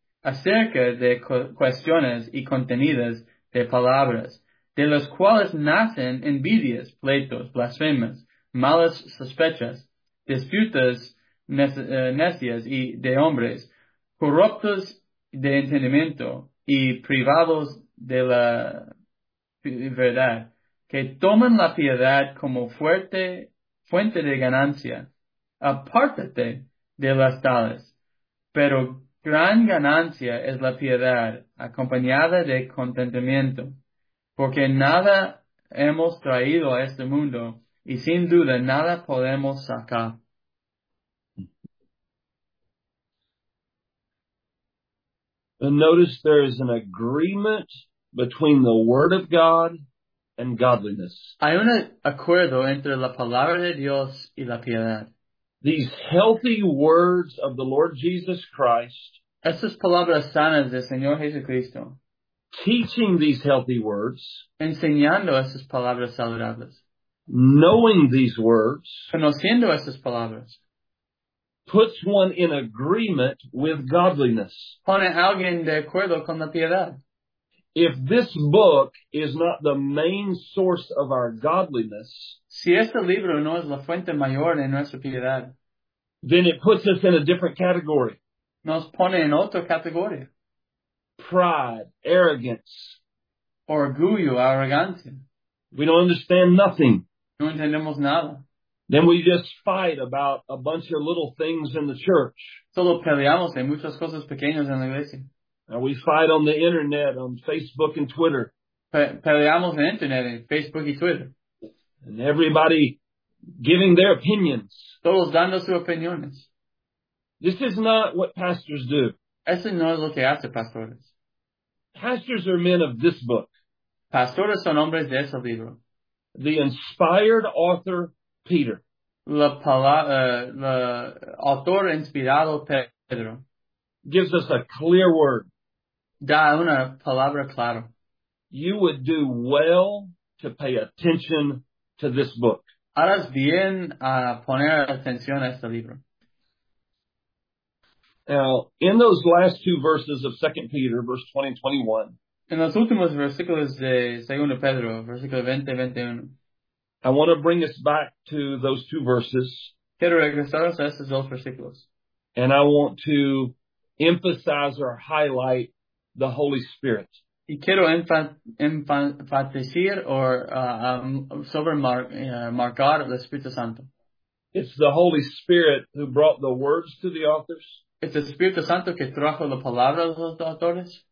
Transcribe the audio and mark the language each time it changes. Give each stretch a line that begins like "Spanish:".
Spanish: acerca de cuestiones y contenidos de palabras, de los cuales nacen envidias, pleitos, blasfemias, malas sospechas, disputas necias y de hombres, corruptos de entendimiento y privados de la verdad, que toman la piedad como fuente de ganancia. Apártate de las tales. Pero gran ganancia es la piedad acompañada de contentamiento, porque nada hemos traído a este mundo y sin duda nada podemos sacar.
English: And notice there is an agreement between the word of God and godliness.
Spanish: Hay un acuerdo entre la palabra de Dios y la piedad.
English: These healthy words of the Lord Jesus Christ.
Spanish: Estas palabras sanas del Señor Jesucristo.
English: Teaching these healthy words.
Spanish: Enseñando estas palabras saludables.
English: Knowing these words.
Spanish: Conociendo estas palabras.
English: Puts one in agreement with godliness.
Spanish: Pone alguien de acuerdo con la piedad.
English: If this book is not the main source of our godliness,
Spanish: si este libro no es la fuente mayor de nuestra piedad,
English: then it puts us in a different category.
Spanish: Nos pone en otra categoría.
English: Pride, arrogance.
Spanish: Orgullo, arrogancia.
English: We don't understand nothing.
Spanish: No entendemos nada.
English: Then we just fight about a bunch of little things in the church.
Spanish: Solo peleamos en muchas cosas pequeñas en la iglesia.
English: And we fight on the internet, on Facebook and Twitter.
Spanish: Peleamos en internet, en Facebook y Twitter.
English: And everybody giving their opinions.
Spanish: Todos dando sus opiniones.
English: This is not what pastors do.
Spanish: Eso no es lo que hace pastores.
English: Pastors are men of this book.
Spanish: Pastores son hombres de ese libro.
English: The inspired author, Peter.
Spanish: La autor inspirado Pedro.
English: Gives us a clear word.
Spanish: Da una palabra clara.
English: You would do well to pay attention to this book.
Spanish: Harás bien a poner atención a este libro.
English: Now, in those last two verses of 2 Peter, verse 20 and 21.
Spanish: En los últimos versículos de 2 Pedro, versículo 20 y 21.
English: I want to bring us back to those two verses.
Spanish: Quiero regresarnos a esos dos versículos.
English: And I want to emphasize or highlight the Holy Spirit.
Spanish: Y quiero enfatizar o marcar el Espíritu Santo.
English: It's the Holy Spirit who brought the words to the authors.
Spanish: Es el Espíritu Santo que trajo la palabra a los autores.